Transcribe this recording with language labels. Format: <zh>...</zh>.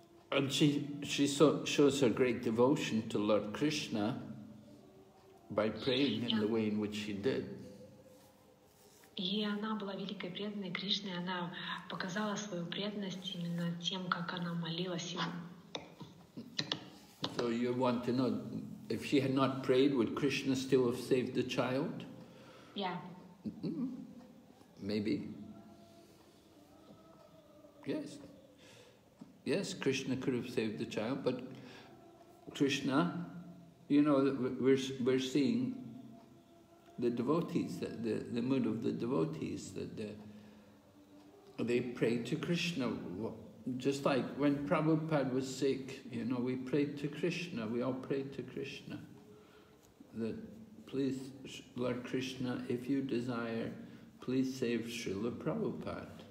<en>And she shows her great devotion to Lord Krishna by praying in the way in which she did.</en> <ru>И она была великой преданной Кришне, она показала свою преданность именно тем, как она молилась ему.</ru> <en>So you want to know, if she had not prayed, would Krishna still have saved the child? Yeah. Maybe. Yes. Yes, Krishna could have saved the child, but Krishna, you know, we're seeing the devotees, the mood of the devotees, that they pray to Krishna, just like when Prabhupada was sick, you know, we prayed to Krishna, we all prayed to Krishna, that please, Lord Krishna, if you desire, please save Srila Prabhupada.</en>